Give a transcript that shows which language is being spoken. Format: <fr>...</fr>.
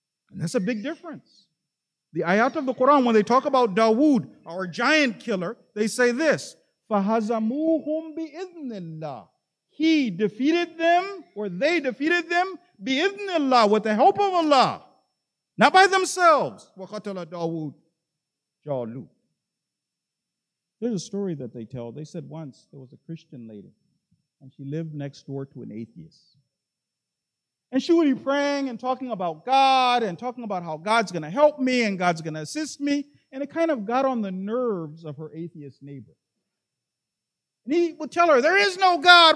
<en>And that's a big difference. The ayat of the Quran, when they talk about Dawood, our giant killer, they say this,</en> <ar>فَهَزَمُوهُمْ بِإِذْنِ اللَّهِ.</ar> <en>He defeated them, or they defeated them,</en> <ar>بِإِذْنِ اللَّهِ,</ar> <en>with the help of Allah. Not by themselves.</en> <ar>وَقَتَلَ دَاوُودِ Jalu.</ar> <en>There's a story that they tell. They said once there was a Christian lady and she lived next door to an atheist. And she would be praying and talking about God and talking about how God's going to help me and God's going to assist me. And it kind of got on the nerves of her atheist neighbor. And he would tell her, there is no God.</en>